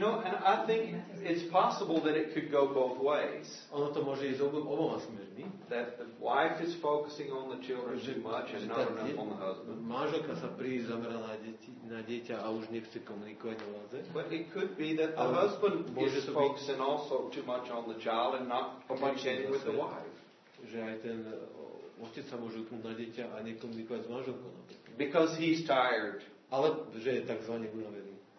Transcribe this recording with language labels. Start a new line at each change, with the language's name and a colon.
English: know, and I think it's possible that it could go both ways.
Slovak: Ono to môže ísť oboma smermi.
English: That the wife is focusing on the children too much and not enough on the husband.
Slovak: Manželka sa príliš zamerá na dieťa a už nechce komunikovať o vás.
English: But it could be that the husband is focusing also too much on the child and not communicating with the wife.
Slovak: Že aj ten otec sa môže upnúť na dieťa a nekomunikovať s manželkou.
English: Because he's tired.
Slovak: Ale že je takzvaný unavený.